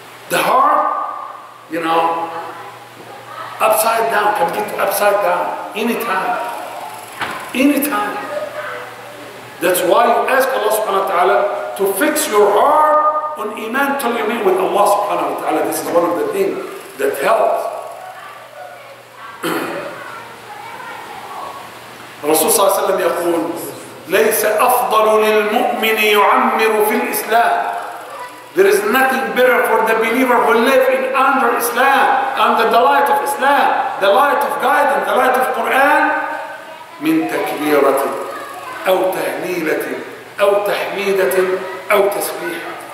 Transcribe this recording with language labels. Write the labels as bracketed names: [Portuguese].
[English] The heart, you know, upside down, can get upside down, anytime, anytime. That's why you ask Allah subhanahu wa ta'ala to fix your heart on iman till you meet with Allah subhanahu wa ta'ala. This is one of the things that helps. [Arabic] Rasul صلى الله عليه وسلم يقول ليس أفضل للمؤمن يعمر في الإسلام. [English] There is nothing better for the believer who live in under Islam, under the light of Islam, the light of guidance, the light of Quran, [Arabic] من تكبيرة أو تهليلة أو تحميدة أو تسبيحة.